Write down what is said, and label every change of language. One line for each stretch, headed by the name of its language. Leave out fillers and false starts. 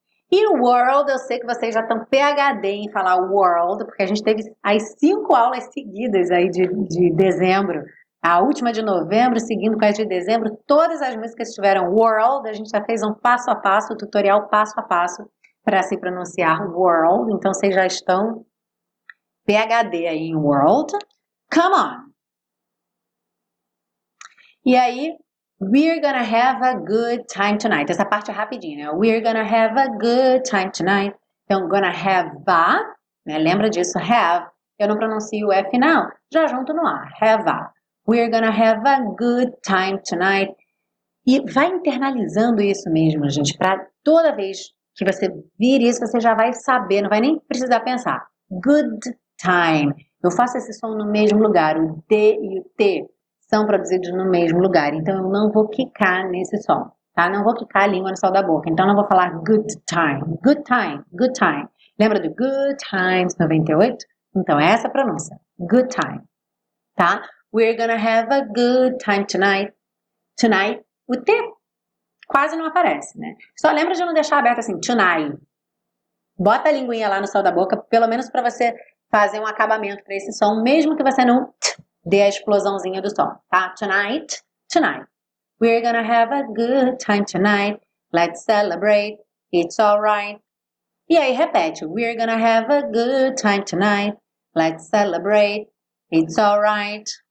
Portuguese: E world, eu sei que vocês já estão PhD em falar world, porque a gente teve as 5 aulas seguidas aí de dezembro, a última de novembro, seguindo com a de dezembro, todas as músicas tiveram world, a gente já fez um passo a passo, um tutorial passo a passo para se pronunciar world, então vocês já estão PhD aí em world.
English: Come on!
Portuguese: E aí...
English: We're gonna have a good time tonight.
Portuguese: Essa parte é rapidinha, né?
English: We're gonna have a good time tonight.
Portuguese: Então, gonna have a, né? Lembra disso, have. Eu não pronuncio o F não. Já junto no A, have a.
English: We're gonna have a good time tonight.
Portuguese: E vai internalizando isso mesmo, gente. Pra toda vez que você vir isso, você já vai saber. Não vai nem precisar pensar. Good time. Eu faço esse som no mesmo lugar, o D e o T. São produzidos no mesmo lugar. Então, eu não vou quicar nesse som, tá? Não vou quicar a língua no sol da boca. Então, não vou falar
English: good time, good time, good time.
Portuguese: Lembra do good times 98? Então, é essa a pronúncia. Good time, tá?
English: We're gonna have a good time tonight.
Portuguese: Tonight. O T quase não aparece, né? Só lembra de não deixar aberto assim, tonight. Bota a linguinha lá no céu da boca, pelo menos para você fazer um acabamento para esse som, mesmo que você não dê a explosãozinha do som, tá?
English: Tonight, tonight. We're gonna have a good time tonight. Let's celebrate, it's alright.
Portuguese: E aí, repete.
English: We're gonna have a good time tonight. Let's celebrate, it's alright.